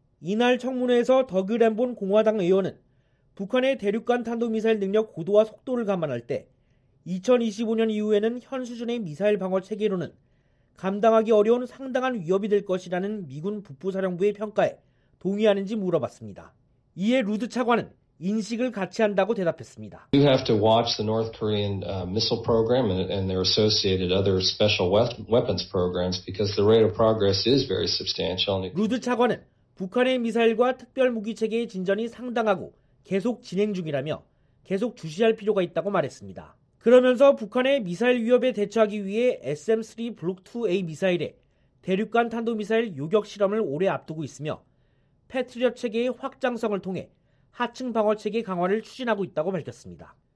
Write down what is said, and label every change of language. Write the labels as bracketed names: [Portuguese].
[Korean] 이날 청문회에서 더그 램본 공화당 의원은 북한의 대륙간 탄도미사일 능력 고도와 속도를 감안할 때 2025년 이후에는 현 수준의 미사일 방어 체계로는 감당하기 어려운 상당한 위협이 될 것이라는 미군 북부사령부의 평가에 동의하는지 물어봤습니다. 이에 루드 차관은 인식을 같이 한다고 대답했습니다. [English] You have to watch the North Korean missile program and their associated other special weapons programs because the rate of progress is very substantial. [Korean] 루드 차관은 북한의 미사일과 특별 무기 체계의 진전이 상당하고 계속 진행 중이라며 계속 주시할 필요가 있다고 말했습니다. 그러면서 북한의 미사일 위협에 대처하기 위해 SM-3 블록 2A 미사일에 대륙간 탄도 미사일 요격 실험을 올해 앞두고 있으며 패트리엇 체계의 확장성을 통해 하층 방어체계 강화를 추진하고 있다고 밝혔습니다.